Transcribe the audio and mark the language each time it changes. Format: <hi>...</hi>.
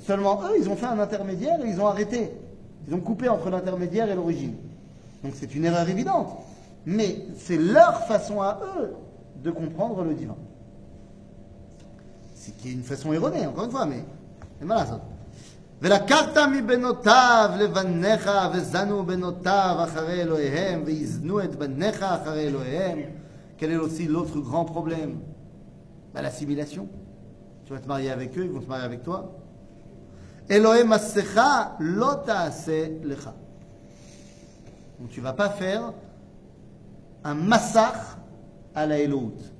<fr>Seulement, eux, ils ont fait un intermédiaire et ils ont arrêté. Ils ont coupé entre l'intermédiaire et l'origine. Donc c'est une erreur évidente. Mais c'est leur façon à eux de comprendre le divin. C'est qu'il y a une façon erronée, encore une fois, mais c'est mal à ça.</fr> <he>ולקחת מבנותיו לבניך וזנו בנותיו אחרי אלוהיהם ויזנו את בניך אחרי אלוהיהם.</he> <fr>Quel est aussi l'autre grand problème? Bah, l'assimilation. Tu vas te marier avec eux, ils vont se marier avec toi.</fr> <he>Elohim Massecha Lotase Lecha.</he> <fr>Donc tu ne vas pas faire un massach à la Elohut.</fr>